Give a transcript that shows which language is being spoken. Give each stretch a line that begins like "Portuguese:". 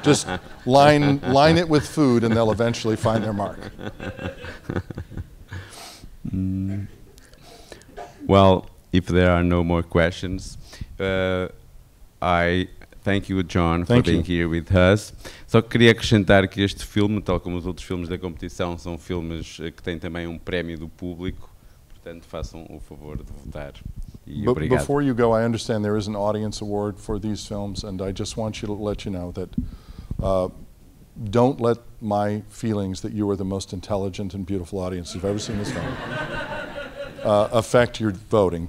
English: Just line it with food and they'll eventually find their mark. Well, if there are no more questions, thank you, John, for being here with us.
Portuguese: Só queria acrescentar que este filme, tal como os outros filmes da competição, são filmes que têm também prémio do público. Portanto, façam o favor de votar. Obrigado.
English: Before you go, I understand there is an audience award for these films, and I just want you to let you know that don't let my feelings that you are the most intelligent and beautiful audience you've ever seen this film affect your voting.